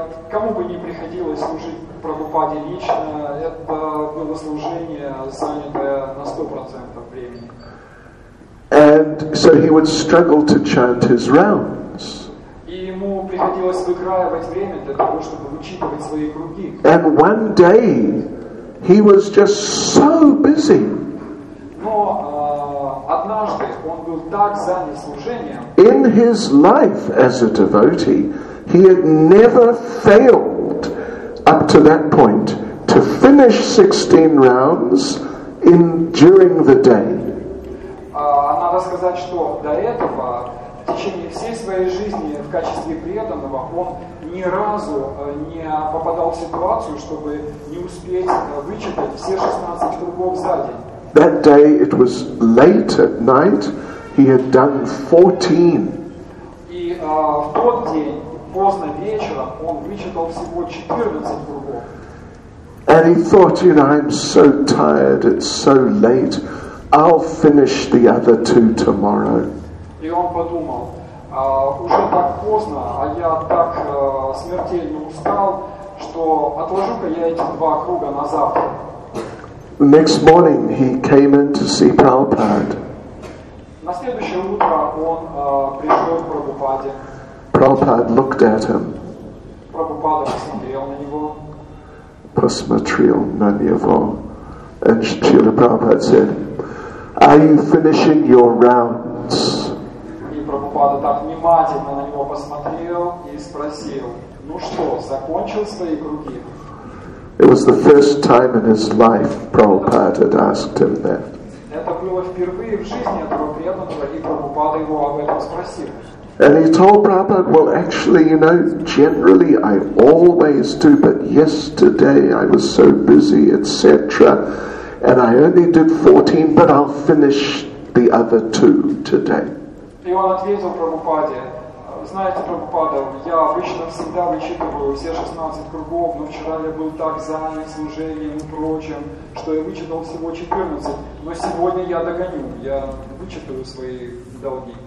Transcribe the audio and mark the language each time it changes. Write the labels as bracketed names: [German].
[Russian] Кому бы не приходилось служить Прабхупаде лично, это было служение, занятое на 100% времени. [English] And so he would struggle to chant his rounds. [Russian] И ему приходилось выкраивать время для того, чтобы вычитывать свои круги. [English] And one day he was just so busy. [Russian] Но однажды он был так занят служением. [English] In his life as a devotee, he had never failed up to that point to finish 16 rounds in during the day. [Russian] Надо сказать, что до этого, в течение всей своей жизни в качестве преданного, он ни разу не попадал в ситуацию, чтобы не успеть вычитать все 16 кругов за день. [English] That day it was late at night. He had done 14. [Russian] И в тот день поздно вечером он вычитал всего 14 кругов. [English] And he thought, you know, I'm so tired, it's so late, I'll finish the other two tomorrow. [Russian] И он подумал, уже так поздно, а я так смертельно устал, что отложу-ка я эти два круга на завтра. [English] The next morning he came in to see Prabhupada. [Russian] На следующее утро он пришел к Прабхупаде. [English] Prabhupada looked at him. [Russian] Прабхупада посмотрел на него. Посмотрел на него. [English] And Srila Prabhupada said, "Are you finishing your rounds?" [Russian] И Прабхупада так внимательно на него посмотрел и спросил, "Ну что, закончил свои круги?" [English] It was the first time in his life Prabhupada had asked him that. [Russian] Это было впервые в жизни этого преданного, и Прабхупада его об этом спросил. [English] And he told Prabhupada, well, actually, you know, generally I always do, but yesterday I was so busy, etc. And I only did 14, but I'll finish the other two today. [Russian] И он ответил Прабхупаде, знаете, Прабхупада, я обычно всегда вычитываю все 16 кругов, но вчера я был так занят служением и прочим, что я вычитал всего 14, но сегодня я догоню, я вычитаю свои долги.